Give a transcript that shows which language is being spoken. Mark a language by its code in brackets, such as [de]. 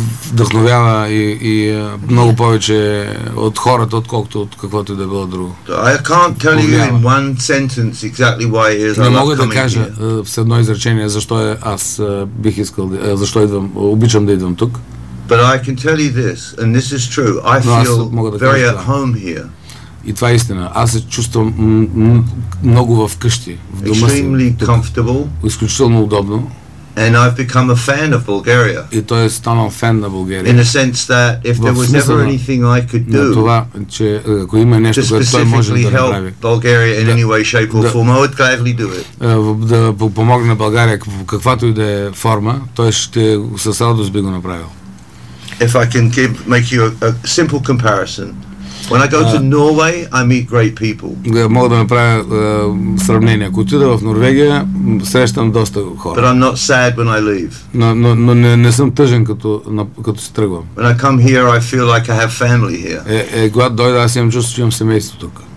[bg] Вдъхновява и много повече от хората, отколкото от каквото и да било друго. [en] I can't tell you in one sentence exactly why it is. [bg] Не мога да кажа с едно изречение защо аз бих искал, защо идвам, обичам да идвам тук. [en] But I can tell you this, and this is true. I feel very at home here. [bg] И това е истина. Аз се чувствам много вкъщи, в дома си. [en] Extremely comfortable. [bg] Изключително удобно. [en] And I've become a fan of Bulgaria. [bg] И той е станал фен на Bulgaria. [en] In a sense that if there was ever anything I could do. [bg] Това, че ако има нещо, което той може да направи. [en] Bulgaria in any way, shape or form, I would gladly do it. [bg] Да помогне на България каквато и да е форма, той ще със радост би го направил. [en] If I can make you a simple comparison. When I go to Norway, I meet great people. [bg] Мога да направя сравнение. Ако отида в Норвегия, срещам доста хора. [en] But I'm not sad when I leave. [bg] Но не съм тъжен като се тръгвам. [en] When I come here, I feel like I have family here. [bg] Когато дойда, аз имам чувство, че имам семейство тук.